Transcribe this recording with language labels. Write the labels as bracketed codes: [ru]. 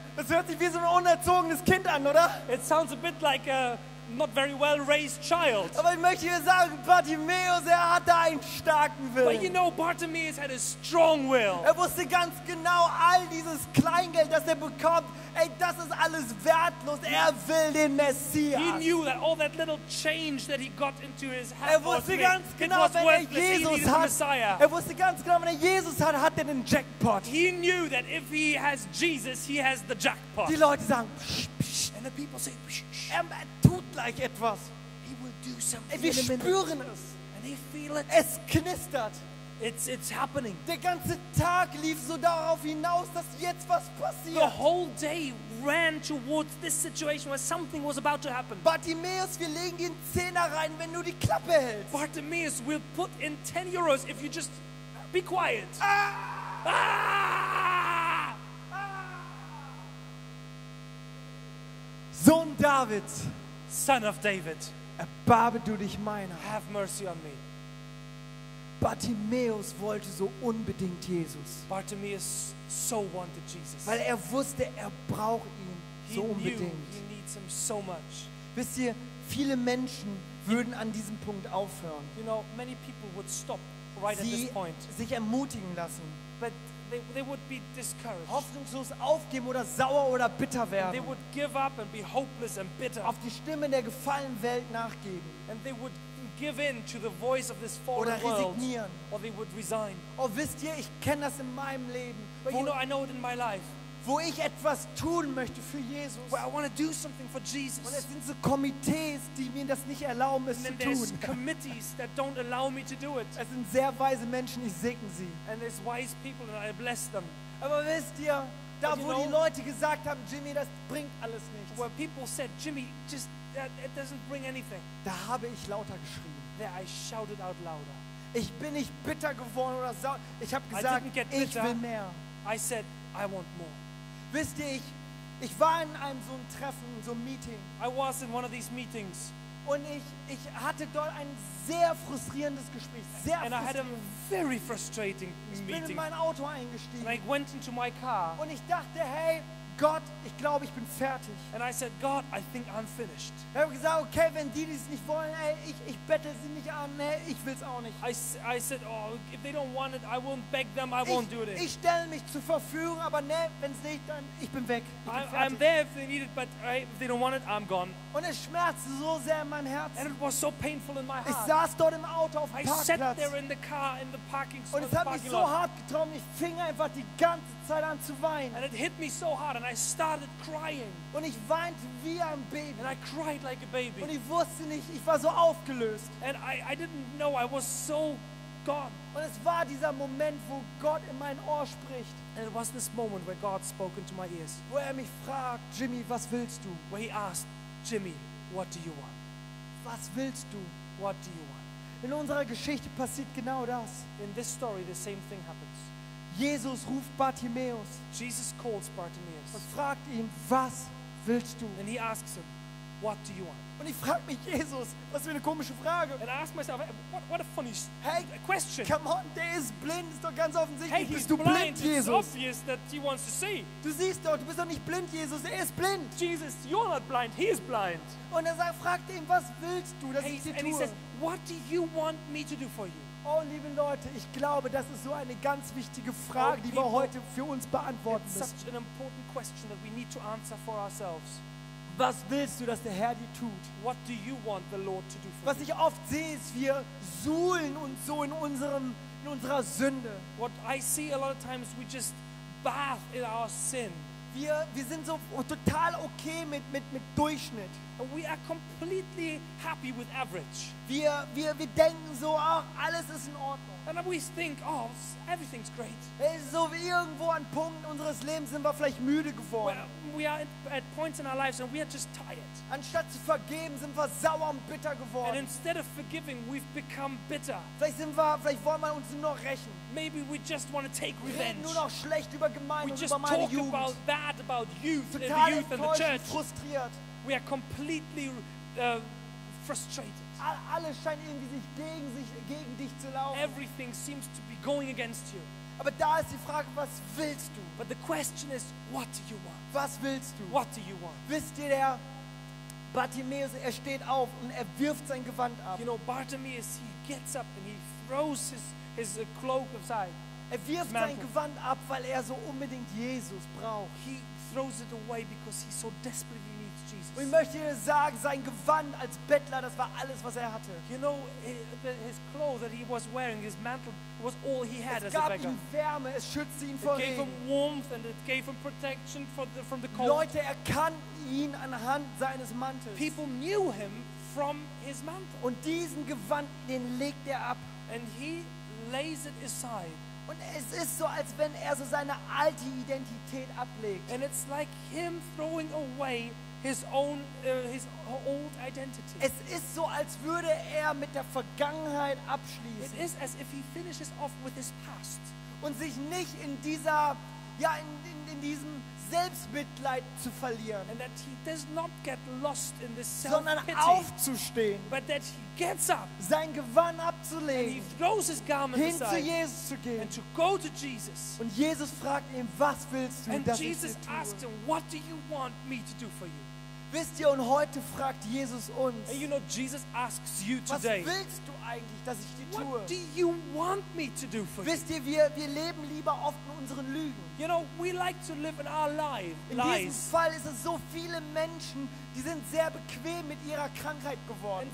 [de] Das hört sich wie so ein unerzogenes Kind an, oder? [en] It sounds a bit like a not very well raised child. [de] Aber ich möchte dir sagen, Bartimäus, er hatte einen starken Willen. [en] But you know, Bartimäus had a strong will. [de] Er wusste ganz genau, all dieses Kleingeld, das er bekommt, ey, das ist alles wertlos. Er will den Messias. [en] He knew that all that little change that he got into his hat. [de] Er wusste ganz genau, wenn er Jesus hat. Er wusste ganz genau, wenn er Jesus hat, hat er den Jackpot. [en] He knew that if he has Jesus, he has the jackpot. [de] Die Leute sagen, psch, psch. [en] And the people say, psch, psch. [de] Er tut gleich etwas. [en] He will do something. [de] Wir spüren es. [en] And they feel it. [de] Es knistert. [en] It's happening. [de] Der ganze Tag lief so darauf hinaus, dass jetzt was passiert. [en] The whole day ran towards this situation where something was about to happen. [de] Bartimäus, wir legen dir einen Zehner rein, wenn du die Klappe hältst. [en] Bartimäus, we'll put in 10 euros if you just be quiet. Ah! [de] Sohn David, [en] Son of David, [de] erbarme du dich meiner. [en] Have mercy on me. [de] Bartimäus wollte so unbedingt Jesus. [en] Bartimäus so wanted Jesus. [de] Weil er wusste, er braucht ihn so unbedingt. [en] He needs him so much. [de] Wisst ihr, viele Menschen würden an diesem Punkt aufhören. [en] You know, many people would stop right [de] sie [en] at this point. [de] Sich ermutigen lassen. [en] But they would be discouraged. [de] Hoffnungslos aufgeben oder sauer oder bitter werden. [en] And they would give up and be hopeless and bitter. [de] Auf die Stimme der gefallenen Welt nachgeben. [en] And they would give in to the voice of this fallen world, or they would resign. [de] Oh, wisst ihr, ich kenne das in meinem Leben. [en] But you know, I know it in my life. [de] Wo ich etwas tun möchte für Jesus. [en] Where I want to do something for Jesus. [de] Und es sind so Komitees, die mir das nicht erlauben, es zu tun. [en] And there's committees that don't allow me to do it. [de] Es sind sehr weise Menschen, ich segne sie. [en] And there's wise people and I bless them. [de] Aber wisst ihr, da wo die Leute gesagt haben, Jimmy, das bringt alles nichts. [en] Where people said, Jimmy, just it doesn't bring anything. [de] Da habe ich lauter geschrien. [en] There I shouted out louder. [de] Ich bin nicht bitter geworden oder sauer. Ich habe gesagt, ich will mehr. [en] I said, I want more. [de] Wisst ihr, ich war in einem so einem Treffen, so einem Meeting. [en] I was in one of these meetings. [de] Und ich hatte dort ein sehr frustrierendes Gespräch. Sehr [en] and I had a very frustrating meeting. [de] Ich bin in mein Auto eingestiegen. [en] And I went into my car. [de] Und ich dachte, hey, Gott, ich glaube, ich bin fertig. [en] And I said, God, I think I'm finished. [de] Ich habe gesagt, okay, wenn die es nicht wollen, ey, ich bettel sie nicht an, nee, ich will es auch nicht. [en] I said, oh, if they don't want it, I won't beg them, I won't do it. [de] Ich stelle mich zur Verfügung, aber nee, wenn es nicht, dann ich bin weg. [en] I'm there if they need it, but if they don't want it, I'm gone. [de] Und es schmerzte so sehr in meinem Herzen. [en] And it was so painful in my heart. [de] Ich saß dort im Auto auf dem Parkplatz. [en] I sat there in the car in the parking spot. [de] Und es hat mich so hart getroffen, ich fing einfach die ganze Zeit an zu weinen. [en] And it hit me so hard and I started crying. [de] Und ich weinte wie ein Baby. [en] And I cried like a baby. [de] Und ich wusste nicht, ich war so aufgelöst. [en] And I didn't know, I was so gone. [de] Und es war dieser Moment, wo Gott in mein Ohr spricht. [en] And it was this moment where God spoke into my ears. [de] Wo er mich fragt, Jimmy, was willst du? [en] Where he asked, Jimmy, what do you want? [de] Was willst du? [en] What do you want? [de] In unserer Geschichte passiert genau das. [en] In this story, the same thing happens. [de] Jesus ruft Bartimäus. [en] Jesus calls Bartimäus. [de] Und fragt ihn, was willst du? [en] And he asks him, what do you want? [de] Und ich frage mich, Jesus, was für eine komische Frage. [en] And I ask myself, what a funny question. Come on, [de] der ist blind, ist doch ganz offensichtlich. Hey, bist du blind, Jesus? [en] It's obvious that he wants to see. [de] Du siehst doch, du bist doch nicht blind, Jesus, er ist blind. [en] Jesus, you're not blind, he is blind. [de] Und er sagt, fragt ihn, was willst du, dass ich dir tue? [en] And he says, what do you want me to do for you? [de] Oh, liebe Leute, ich glaube, das ist so eine ganz wichtige Frage, die wir heute für uns beantworten müssen. [en] It's such an important question that we need to answer for ourselves. [de] Was willst du, dass der Herr dir tut? [en] What do you want the Lord to do for [de] Was ich oft sehe, ist, wir suhlen uns so in unserer Sünde. [en] What I see a lot of times, we just bath in our sin. [de] Wir sind so total okay mit Durchschnitt. [en] We are completely happy with average. [de] Wir denken so, ach, alles ist in Ordnung. [en] And we think, oh, everything's great. [de] So wie irgendwo an Punkten unseres Lebens sind wir vielleicht müde geworden. [en] We are at points in our lives and we are just tired. [de] Anstatt zu vergeben, sind wir sauer und bitter geworden. [en] And instead of forgiving, we've become bitter. [de] Vielleicht wollen wir uns nur noch rächen. [en] Maybe we just want to take revenge. [de] Reden nur noch schlecht über Gemeinde und über meine Jugend. [en] We just talk about youth, [de] total [en] the youth and the church. [de] Frustriert. [en] We are completely frustrated. [de] Alles scheint irgendwie gegen dich zu laufen. [en] Everything seems to be going against you. [de] Aber da ist die Frage, was willst du? [en] But the question is, what do you want? [de] Was willst du? [en] What do you want? [de] Wisst ihr, der Bartimäus, er steht auf und er wirft sein Gewand ab. [en] You know, Bartimäus, he gets up and he throws his cloak aside. [de] Er wirft sein Gewand ab, weil er so unbedingt Jesus braucht. [en] He throws it away because he so desperately needs Jesus. [de] Und ich möchte dir sagen, sein Gewand als Bettler, das war alles, was er hatte. [en] You know, his clothes that he was wearing, his mantle, was all he had as a beggar. [de] Es gab ihm Wärme, es schützte ihn vor Regen. [en] It gave him warmth and it gave him protection from the cold. [de] Leute erkannten ihn anhand seines Mantels. [en] People knew him from his mantle. [de] Und diesen Gewand, den legt er ab. [en] And he lays it aside. [de] Und es ist so, als wenn er so seine alte Identität ablegt. [en] And it's like him throwing away his old identity. [de] Es ist so, als würde er mit der Vergangenheit abschließen. [en] It is as if he finishes off with his past. [de] Und sich nicht in dieser, ja, in diesem Selbstmitleid zu verlieren. [en] And that he does not get lost in this self-pity. [de] Sondern aufzustehen. [en] But that he gets up. [de] Sein Gewand abzulegen. [en] And he throws his garment [de] hin [en] aside. [de] Hin zu Jesus zu gehen. [en] And to go to Jesus. [de] Und Jesus fragt ihn, was willst du, [en] and [de] dass [en] Jesus [de] ich dir tue? [en] And Jesus asks him, what do you want me to do for you? [de] Wisst ihr, und heute fragt Jesus uns. [en] And you know, Jesus asks you today. [de] Was willst du eigentlich, dass ich dir tue? [en] What do you want me to do for you? [de] Wisst ihr, wir leben lieber oft in unseren Lügen. [en] You know, we like to live in our lives. [de] In diesem Fall ist es so, viele Menschen, die sind sehr bequem mit ihrer Krankheit geworden.